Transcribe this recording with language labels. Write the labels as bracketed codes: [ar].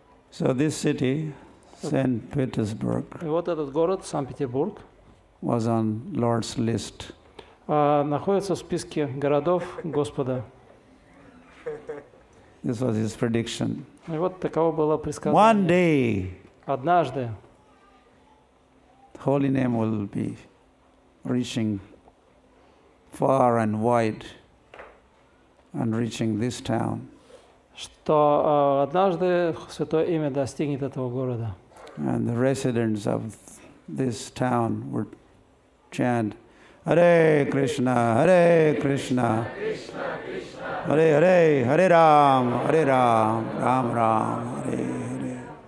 [en] So this city, Saint-Petersburg, [ru] и вот этот город, Санкт-Петербург, [en] was on Lord's list. [ru] Находится в списке городов Господа. [en] This was his prediction. [ru] И вот таково было предсказание. [en] One day, [ru] однажды, [en] holy name will be reaching far and wide, and reaching this town. [ru] Что однажды святое имя достигнет этого города. [en] And the residents of this town would chant, Hare Krishna, Hare Krishna. [sa] Hare Hare Hare Ram Hare Ram Ram Ram Hare Hare.